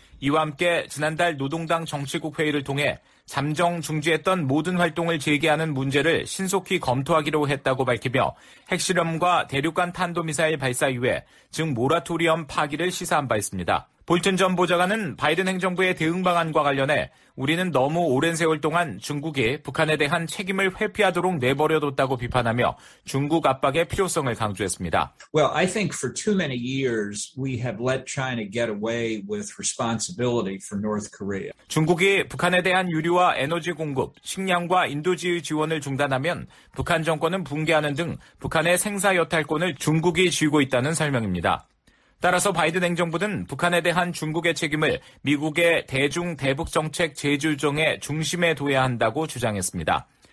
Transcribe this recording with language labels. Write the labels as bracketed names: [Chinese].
[Korean] 이와 함께 지난달 노동당 정치국 회의를 통해 잠정 중지했던 모든 활동을 재개하는 문제를 신속히 검토하기로 했다고 밝히며 핵실험과 대륙간 탄도미사일 발사 이후에 즉 모라토리엄 파기를 시사한 바 있습니다. 볼튼 전 보좌관은 바이든 행정부의 대응 방안과 관련해 우리는 너무 오랜 세월 동안 중국이 북한에 대한 책임을 회피하도록 내버려뒀다고 비판하며 중국 압박의 필요성을 강조했습니다. [English] Well, I think for too many years we have let China get away with responsibility for North Korea. [Korean] 중국이 북한에 대한 유류와 에너지 공급, 식량과 인도지의 지원을 중단하면 북한 정권은 붕괴하는 등 북한의 생사 여탈권을 중국이 쥐고 있다는 설명입니다. 따라서 바이든 행정부는 북한에 대한 중국의 책임을 미국의 대중 대북 정책 재조정의 중심에 둬야 한다고 주장했습니다.